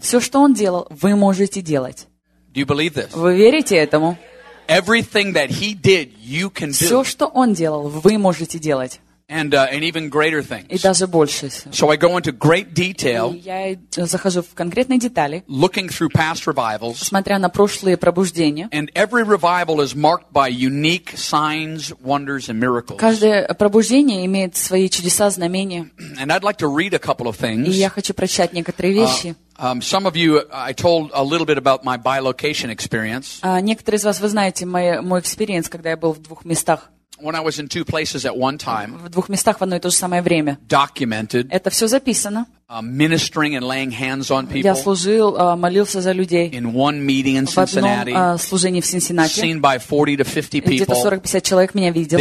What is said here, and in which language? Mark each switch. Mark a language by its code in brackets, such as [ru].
[ru] Всё, что он делал, вы можете делать. [en] Do you believe this? [ru] Вы верите этому? [en] Everything that he did, you can do. [ru] Все, что он делал, вы можете делать. [en] And even greater things. [ru] И даже больше. [en] So I go into great detail. [ru] Я захожу в конкретные детали. [en] Looking through past revivals. [ru] Смотря на прошлые пробуждения. [en] And every revival is marked by unique signs, wonders, and miracles. [ru] Каждое пробуждение имеет свои чудеса, знамения. [en] And I'd like to read a couple of things. [ru] И я хочу прочитать некоторые вещи. [en] Some of you, I told a little bit about my bi-location experience. [ru] Некоторые из вас вы знаете мой [en] experience, [ru] когда я был в двух местах. [en] When I was in two places at one time. [ru] В двух местах в одно и то же самое время. [en] Documented. [ru] Это все записано. [en] Ministering and laying hands on people. [ru] Я служил, молился за людей. [en] In one meeting in Cincinnati. [ru] В одном служении в Cинциннати. [en] Seen by 40 to 50 people. [ru] Где-то 40-50 человек меня видело.